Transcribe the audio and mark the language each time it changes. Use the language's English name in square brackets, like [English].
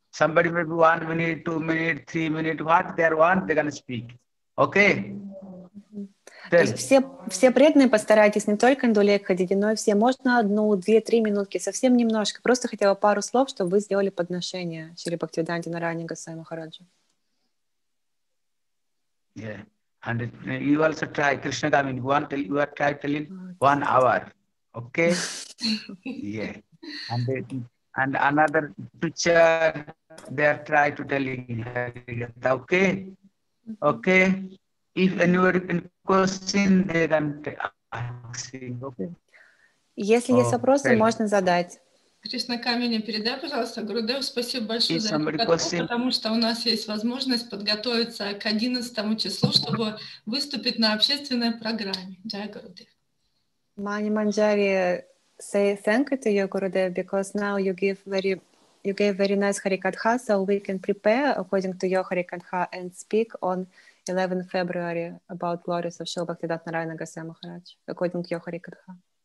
[English] Somebody may be 1 minute, 2 minute, 3 minute, what they want, they're going to speak. Okay? Mm-hmm. [Russian] То есть все преданные постарайтесь не только индулек ходить, но и все можно 1-2-3 минутки, совсем немножко. Просто хотя бы пару слов, чтобы вы сделали подношение Шриле Бхактивиданте Нараяне Госвами Махараджи. [English] Yeah. And you also try, Krishna Gamini, you are trying to tell in 1 hour. Okay. Yeah. And another teacher, they are try to tell Harikatha. Okay. Okay. If anybody in question, they can ask. Okay. [Russian] Если есть вопросы, можно задать. Кришна Камини, передай, пожалуйста, Гурудев, спасибо большое за подготовку, потому что у нас есть возможность подготовиться к 11 числу, чтобы выступить на общественной программе. Джай Гурудев. [English] Mani Manjari, say thank you to you, Gurudev, because now you gave very nice Harikatha, so we can prepare according to your Harikatha and speak on 11 February about glories of Srila Bhaktivedanta Narayana Gosvami Maharaj, according to your Harikatha.